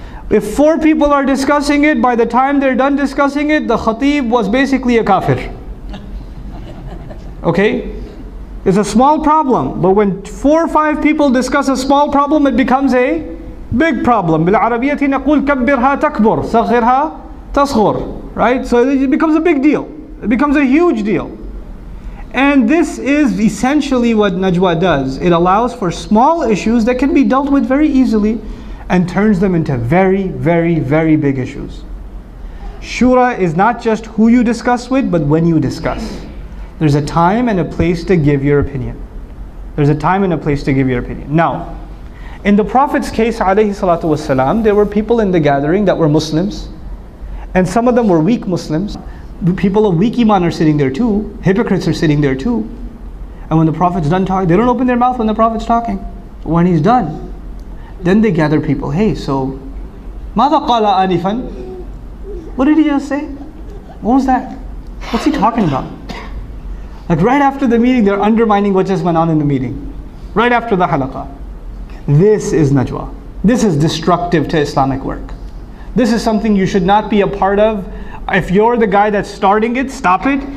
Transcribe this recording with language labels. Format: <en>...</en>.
<en>If four people are discussing it, by the time they're done discussing it, the khatib was basically a kafir. Okay? It's a small problem, but when four or five people discuss a small problem, it becomes a big problem.</en> <ar>بالعربية نقول كبرها تكبر صغرها تصغر.</ar> <en>Right? So it becomes a big deal. It becomes a huge deal. And this is essentially what Najwa does. It allows for small issues that can be dealt with very easily and turns them into very, very, very big issues. Shura is not just who you discuss with, but when you discuss. There's a time and a place to give your opinion. There's a time and a place to give your opinion. Now, in the Prophet's case,</en> <ar>alayhi salatu wasalam,</ar> <en>there were people in the gathering that were Muslims, and some of them were weak Muslims. People of weak iman are sitting there too. Hypocrites are sitting there too. And when the Prophet's done talking, they don't open their mouth when the Prophet's talking. When he's done, then they gather people. Hey, so,</en> <ar>ماذا قال آنفا?</ar> <en>What did he just say? What was that? What's he talking about? Like right after the meeting, they're undermining what just went on in the meeting. Right after the halaqah. This is najwa. This is destructive to Islamic work. This is something you should not be a part of. If you're the guy that's starting it, stop it.</en>